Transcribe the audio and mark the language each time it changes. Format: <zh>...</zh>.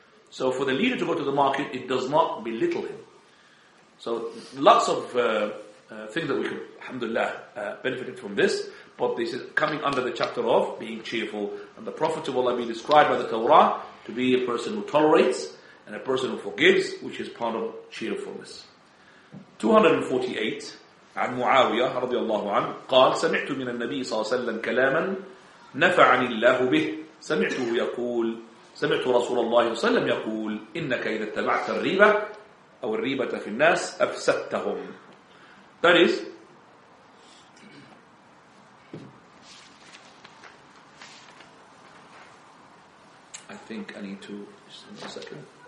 <en>So for the leader to go to the market, it does not belittle him. So lots of things that we could, alhamdulillah, benefited from this. But this is coming under the chapter of being cheerful. And the Prophet of Allah be described by the Torah to be a person who tolerates and a person who forgives, which is part of cheerfulness.</en> <ar>248, عن معاوية رضي الله عنه قال سمعت من النبي صلى الله عليه وسلم كلاما نفعني الله به سمعته يقول سمعت رسول الله صلى الله عليه وسلم يقول إنك إذا اتبعت الريبة أو الريبة في الناس أفسدتهم.</ar> <en>That is, I think I need to, just in a second.</en>